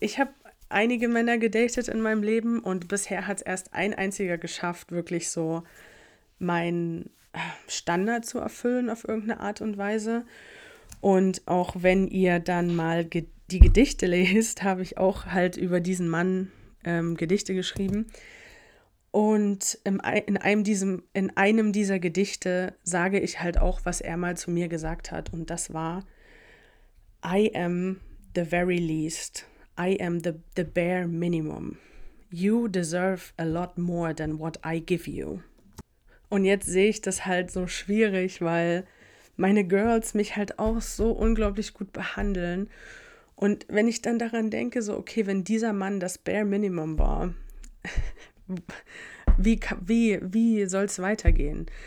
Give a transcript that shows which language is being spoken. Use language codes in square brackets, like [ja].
[de] Ich habe einige Männer gedatet in meinem Leben und bisher hat es erst ein einziger geschafft, wirklich so meinen Standard zu erfüllen auf irgendeine Art und Weise. Und auch wenn ihr dann mal die Gedichte lest, habe ich auch halt über diesen Mann Gedichte geschrieben. Und in einem dieser Gedichte sage ich halt auch, was er mal zu mir gesagt hat. Und das war, [en] I am the very least. I am the bare minimum. You deserve a lot more than what I give you. [de] Und jetzt sehe ich das halt so schwierig, weil meine Girls mich halt auch so unglaublich gut behandeln. Und wenn ich dann daran denke, so okay, wenn dieser Mann das bare minimum war, wie soll es weitergehen?